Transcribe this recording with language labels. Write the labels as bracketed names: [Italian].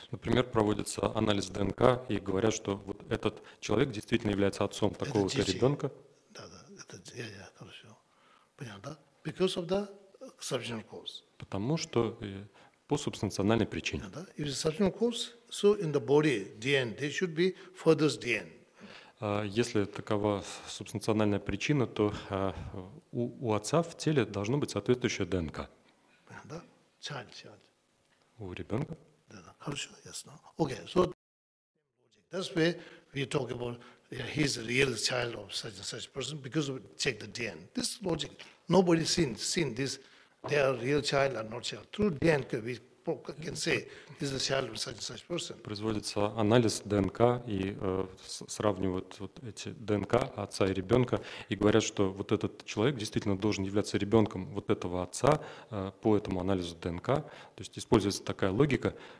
[Russian] Например, проводится анализ ДНК и говорят, что вот этот человек действительно является отцом такого-то ребенка. Да, это я хорошо понял, да? [English] Because of the substantial cause. [Russian] Потому что по субстанциональной причине. [English] Да, if it's substantial cause, so in the body DNA there should be further DNA. [Russian] Если такова субстанциональная причина, то у отца в теле должно быть соответствующее ДНК. Да? Child. У ребенка? Да. Хорошо, ясно. [English] Okay, so that's why we talk about he's a real child of such and such person because we check the DNA. This logic, nobody seen this. They are real child or not child. Through DNA we can say this is a child of such and such person. [Russian] Производится анализ ДНК и сравнивают вот эти ДНК отца и ребенка и говорят, что вот этот человек действительно должен являться ребенком вот этого отца по этому анализу ДНК. То есть используется такая логика.